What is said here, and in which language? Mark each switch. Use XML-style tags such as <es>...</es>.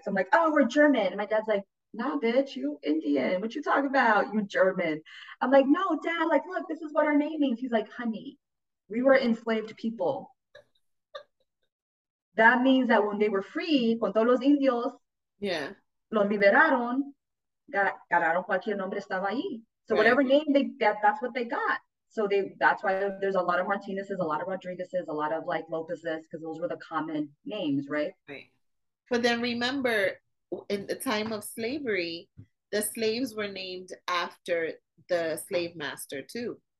<en>So I'm like, oh, we're German. And my dad's like, nah, bitch, you Indian. What you talking about? You German. I'm like, no, dad, like, look, this is what our name means. He's like, honey, we were enslaved people. That means that when they were free,</en> <es>con todos los indios,</es> <en>yeah,</en> <es>los liberaron, ganaron cualquier nombre estaba ahí.</es> <en>So whatever name they get, that's what they got. So that's why there's a lot of Martinez's, a lot of Rodriguez's, a lot of like Lopez's, because those were the common names, right? Right. But then remember, in the time of slavery, the slaves were named after the slave master too.</en>